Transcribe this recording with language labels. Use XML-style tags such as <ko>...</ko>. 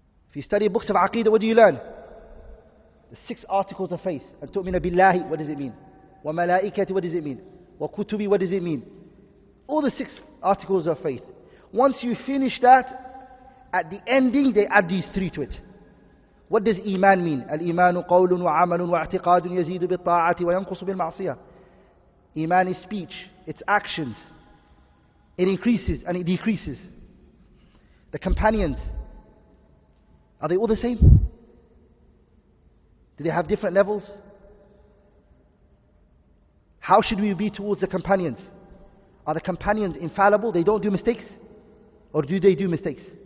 <en>If you study books of Aqeedah, what do you learn? The six articles of faith. And</en> <ar>تؤمن بالله,</ar> <en>what does it mean?</en> <ar>وملائكته,</ar> <en>what does it mean?</en> <ar>وكتبه,</ar> <en>what does it mean? All the six articles of faith. Once you finish that, at the ending, they add these three to it. What does Iman mean?</en> <ar>الإيمان قول وعمل واعتقاد يزيد بالطاعة وينقص بالمعصية.</ar> <en>Iman is speech, it's actions. It increases and it decreases. The companions, are they all the same? Do they have different levels? How should we be towards the companions? Are the companions infallible? They don't do mistakes? Or do they do mistakes?</en>